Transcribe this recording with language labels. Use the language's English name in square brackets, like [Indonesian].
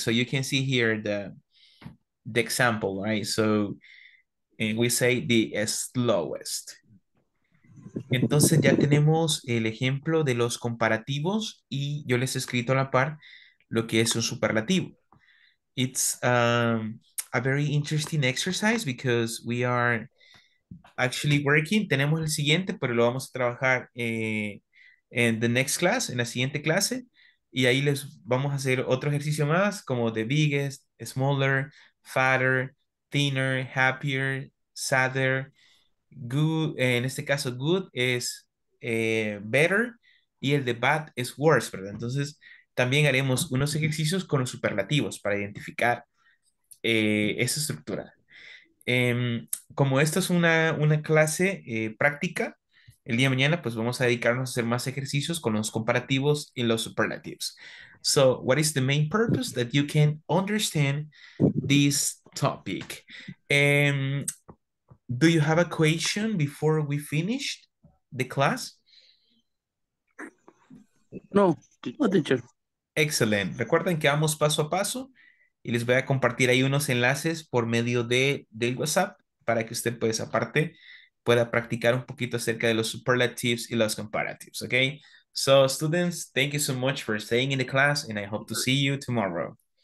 [English] So you can see here the example, right? So... And we say the slowest. [Spanish] Entonces ya tenemos el ejemplo de los comparativos y yo les he escrito a la par lo que es un superlativo. [English] It's a very interesting exercise because we are actually working. [Spanish] Tenemos el siguiente, pero lo vamos a trabajar en [English] the next class, [Spanish] en la siguiente clase. Y ahí les vamos a hacer otro ejercicio más, como the biggest, smaller, fatter, thinner, happier, sadder, good, en este caso good es better, y el de bad es worse, ¿verdad? Entonces también haremos unos ejercicios con los superlativos para identificar esa estructura. Como esto es una clase práctica, el día de mañana pues vamos a dedicarnos a hacer más ejercicios con los comparativos y los superlatives. [English] So, what is the main purpose that you can understand this topic? Do you have a question before we finish the class? No, no, teacher. Excellent. [Spanish] Recuerden que vamos paso a paso y les voy a compartir ahí unos enlaces por medio del WhatsApp para que usted pues aparte pueda practicar un poquito acerca de los superlatives y los comparatives, okay? [English] So, students, thank you so much for staying in the class, and I hope to see you tomorrow.